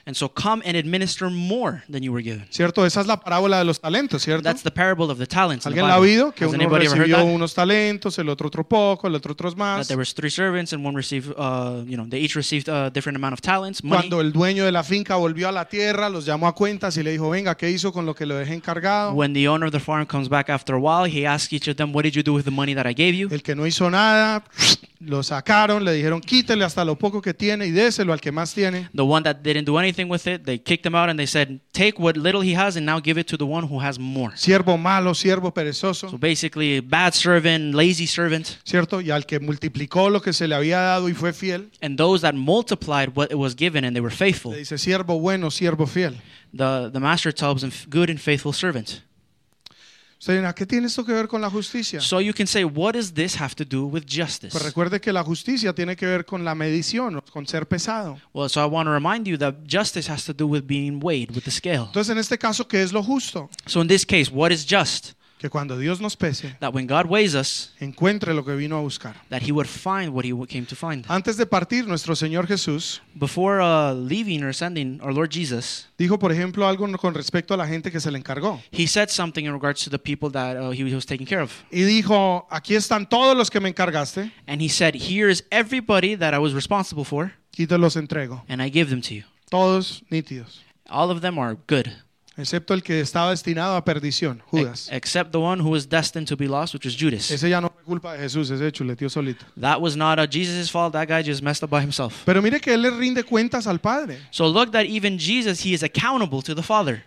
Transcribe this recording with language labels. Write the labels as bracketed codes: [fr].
[en] And so come and administer more than you were given. [es] Cierto, esa es la parábola de los talentos, ¿cierto? [en] That's the parable of the talents. [es] ¿Alguien la ha oído? Que uno recibió unos talentos, el otro otro poco, el otro otros más. [en] That there were three servants and one received, they each received a different amount of talents, money. [es] Cuando el dueño de la finca volvió a la tierra, los llamó a cuentas y le dijo, venga, ¿qué hizo con lo que lo dejé encargado? [en] When the owner of the farm comes back after a while, he asks each of them, what did you do with the money that I gave you? [es] El que no hizo nada, lo sacaron, le dijeron, quítele hasta lo poco que tiene y déselo al que más tiene. [en] The one that didn't do anything with it, they kicked him out and they said, take what little he has and now give it to the one who has more. [es] Siervo malo, siervo perezoso. [en] So basically, bad servant, lazy servant. [es] Cierto, y al que multiplicó lo que se le había dado y fue fiel. [en] And those that multiplied what it was given and they were faithful. [es] Le dice, siervo bueno, siervo fiel. [en] The master tells him, good and faithful servant. [es] ¿Qué tiene esto que ver con la justicia? [en] So you can say, what does this have to do with justice? [es] Pero recuerde que la justicia tiene que ver con la medición, con ser pesado. [en] Well, so I want to remind you that justice has to do with being weighed, with the scale. [es] Entonces, en este caso, ¿qué es lo justo? [en] So in this case, what is just? [es] Que cuando Dios nos pese, [en] that when God weighs us, [es] encuentre lo que vino a buscar. [en] That he would find what he came to find. [es] Antes de partir, nuestro Señor Jesús, [en] before leaving or sending our Lord Jesus, [es] dijo, por ejemplo, algo con respecto a la gente que se le encargó. [en] He said something in regards to the people that he was taking care of. [es] Y dijo, aquí están todos los que me encargaste. [en] And he said, here is everybody that I was responsible for. [es] Y te los entrego. [en] And I give them to you. [es] Todos nítidos. [en] All of them are good. [es] Excepto el que estaba destinado a perdición, Judas. [en] Except the one who was destined to be lost, which was Judas. [es] Ese ya no fue culpa de Jesús, ese chuleteó solito. [en] That was not Jesus' fault, that guy just messed up by himself. [es] Pero mire que él le rinde cuentas al Padre. [en] So look that even Jesus, he is accountable to the Father.